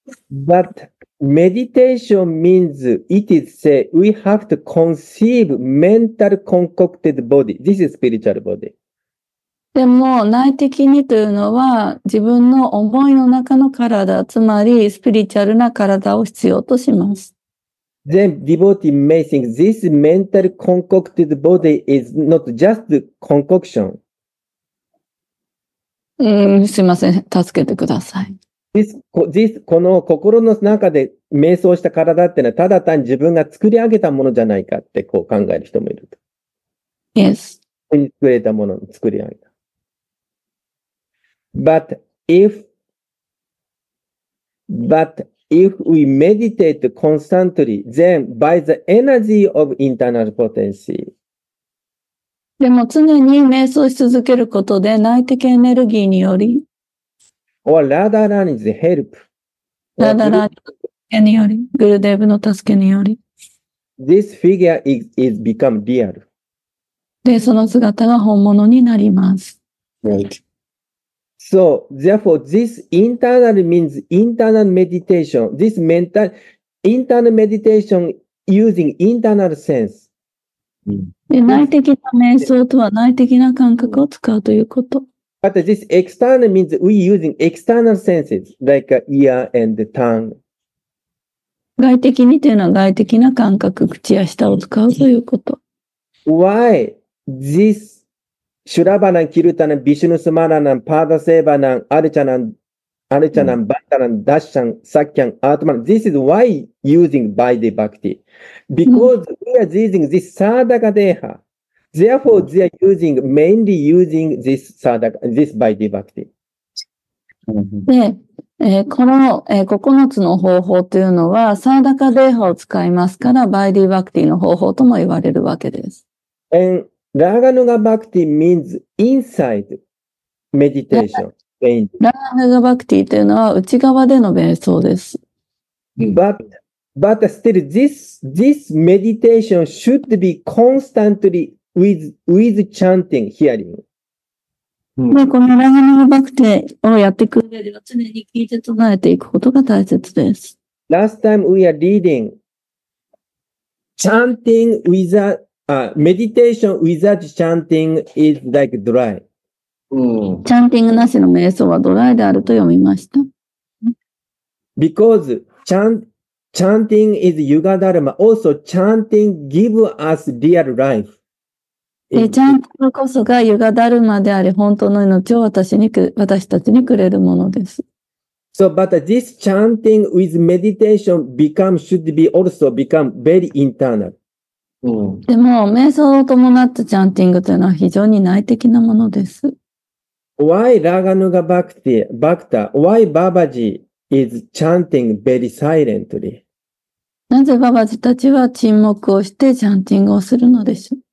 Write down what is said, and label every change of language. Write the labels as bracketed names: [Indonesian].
[English] But, meditation means it is say we have to conceive mental concocted body. This is spiritual body. [Japanese] でも内的にというのは自分の思いの中の体、つまりスピリチュアルな体を必要とします。 [English] Then devotee may think this mental concocted body is not just concoction. [Japanese] すいません、助けてください。 This この心の中で瞑想した体ってのはただ単に自分が作り上げたものじゃないかってこう考える人もいると。 Yes. 作れたものを作り上げた。 [English] But if we meditate constantly, then by the energy of internal potency. [Japanese] でも常に瞑想し続けることで内的エネルギーにより [English] or Radharani's help. [Japanese] Radharani により、グルデーブの助けにより [English] This figure is become real. [Japanese] で、その姿が本物になります。 [English] Right. So, therefore, this internal means internal meditation. This mental, internal meditation using internal sense. [Japanese] で、内的な瞑想とは内的な感覚を使うということ。 [English] But this external means we using external senses, like ear and tongue. [Japanese] 外的にというのは外的な感覚、口や舌を使うということ。 [English] Why this? [Sanskrit] シュラバナン、キルタナン、ビシュヌスマラナン、パーダセーバナン、アルチャナン、アルチャナン、バッタラン、ダッシャン、サッキャン、アートマン。 [English] This is why using Vaidhi Bhakti. Because we are using this Sadaka Deha. Therefore, they are using, mainly using this Sadaka, this Vaidhi Bhakti. [Japanese] で、この、9つの方法というのは、Sadaka Deha を使いますから、Vaidhi Bhakti の方法とも言われるわけです。 [English] And,ラガヌガバクティ means inside meditation. [Japanese] ラガヌガバクティというのは内側での瞑想です。 [English] But still, this meditation should be constantly with chanting, hearing. [Japanese] で、このラガヌガバクティをやってくれるよ常に聞いて唱えていくことが大切です。 [English] Last time we are reading, chanting with a,meditation without chanting is like dry. [Japanese] チャンティングなしの瞑想はドライであると読みました。 [English] Because chanting is yuga dharma. Also, chanting give us real life. [Japanese] チャンティングこそがユガダルマであり、本当の命を私たちにくれるものです。 [English] So, but this chanting with meditation should be also become very internal. [Japanese] でも、瞑想を伴ったチャンティングというのは非常に内的なものです。 [English] Why Raganuga Bhakti, Bhakta, why Babaji is chanting very silently? [Japanese] なぜババジたちは沈黙をしてチャンティングをするのでしょう